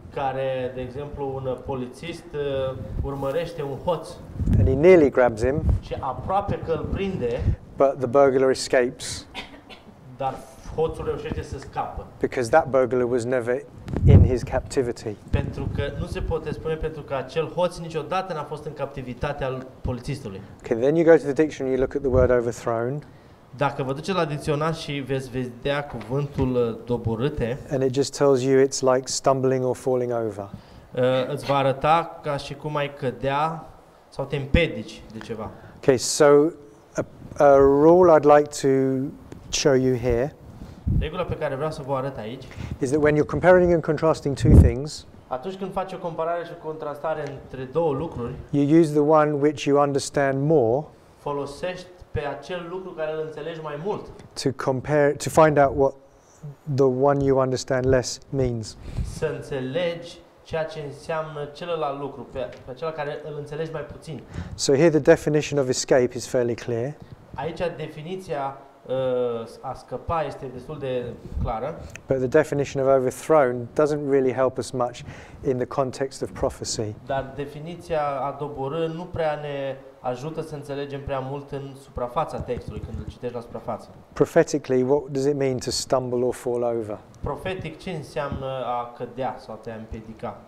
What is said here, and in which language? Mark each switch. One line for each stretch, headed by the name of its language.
Romanian: Care, de exemplu, un polițist urmărește un hoț.
English: And he nearly grabs him.
Romanian: Și aproape că îl prinde.
English: But the burglar escapes.
Romanian: Dar hoțul reușește să scapă.
English: Because that burglar was never in his captivity.
Romanian: Pentru că nu se poate spune pentru că acel hoț niciodată n-a fost în captivitatea polițistului.
English: Okay, then you go to the dictionary, you look at the word overthrown.
Romanian: Dacă vă duceți la dicționar și veți vedea cuvântul doborâte.
English: And it just tells you it's like stumbling or falling over.
Romanian: Îți va arăta ca și cum ai cădea sau te împiedici de ceva.
English: Okay, so a rule I'd like to show you here.
Romanian: Regula pe care vreau să vă arăt aici.
English: Is that when you're comparing and contrasting two things?
Romanian: Atunci când faci o comparare și contrastare între două lucruri.
English: You use the one which you understand more.
Romanian: Folosești pe acel lucru care îl înțelegi mai mult.
English: To compare, to find out what the one you understand less means.
Romanian: Să înțelegi ceea ce înseamnă celălalt lucru pe acela care îl înțelegi mai puțin.
English: So here the definition of escape is fairly clear.
Romanian: Aici definiția a scăpa este destul de clară.
English: But the definition of overthrown doesn't really help us much in the context of prophecy.
Romanian: Dar definiția a doborâ nu prea ne ajută să înțelegem prea mult în suprafața textului când îl citești la suprafață.
English: Prophetically, what does it mean to stumble or fall over?
Romanian: Profetic, ce înseamnă a cădea sau a te împiedica?